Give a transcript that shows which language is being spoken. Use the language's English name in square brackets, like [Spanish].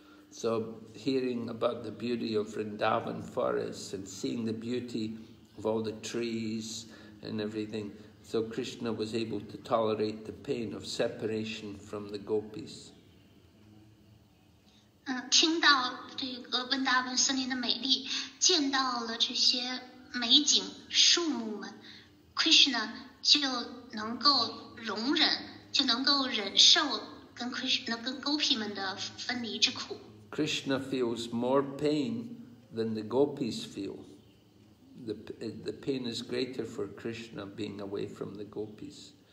[English] So, hearing about the beauty of Vrindavan forests and seeing the beauty of all the trees and everything, so Krishna was able to tolerate the pain of separation from the gopis. [Chinese] 听到这个温达文森林的美丽，见到了这些美景树木们， Krishna 就能够容忍，就能够忍受。 [English] Krishna feels more pain than the gopis feel. The pain is greater for Krishna being away from the gopis.